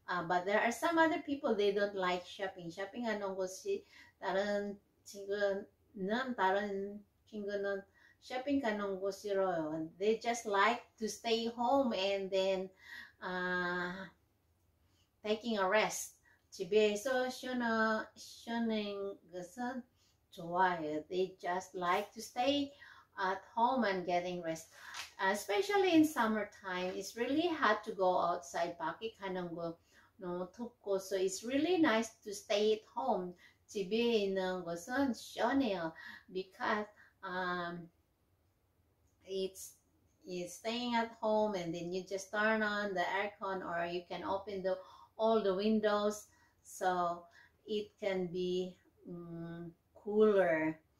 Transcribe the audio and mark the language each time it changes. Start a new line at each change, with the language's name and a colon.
English: But there are some other people they don't like shopping.
Korean: Shopping 하는 것이 다른 친구는 쇼핑 가는 거 싫어요.
English: They just like to stay home and then taking a rest.
Korean: 집에서 쉬는 것은 좋아요.
English: They just like to stay at home and getting rest. Especially in summertime, it's really hard to go outside.
Korean: 밖에 가는 거 너무 덥고,
English: so it's really nice to stay at home.
Korean: 집에 있는 것은 시원해요.
English: Because it's staying at home and then you just turn on the aircon or you can open all the windows so it can be cooler.